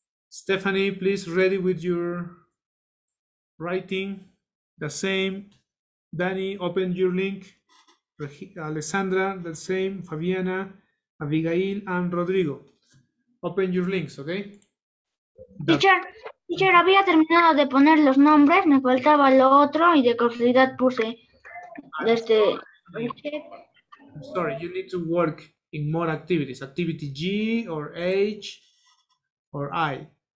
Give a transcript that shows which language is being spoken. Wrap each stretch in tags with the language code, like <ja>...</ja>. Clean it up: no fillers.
<en>Stephanie, please, ready with your writing, the same. Danny, open your link. Alessandra, the same. Fabiana, Abigail, and Rodrigo, open your links, okay?</en> <es>Teacher, había terminado de poner los nombres, me faltaba lo otro, y de casualidad puse desde...</es> <en>I'm sorry, you need to work in more activities, activity G, or H, or I.</en>